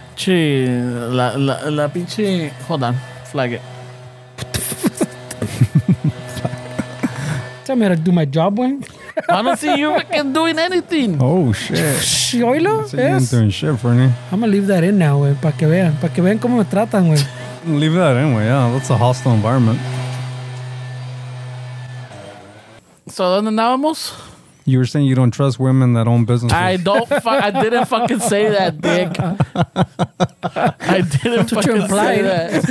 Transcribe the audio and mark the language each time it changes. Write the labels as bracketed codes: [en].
[es] Che, la pinche. [en] Hold on. Flag it. Tell me how to do my job, Wayne. I don't see you fucking doing anything. Oh, shit. Shoilo? You ain't doing shit for me. I'm going to leave that in now, güey. [es] Para que vean cómo me tratan, güey. [en] Leave that in, güey. Yeah, that's a hostile environment. [es] So, ¿dónde andábamos? [en] You were saying you don't trust women that own businesses. I didn't fucking say that, dick. I didn't fucking say that.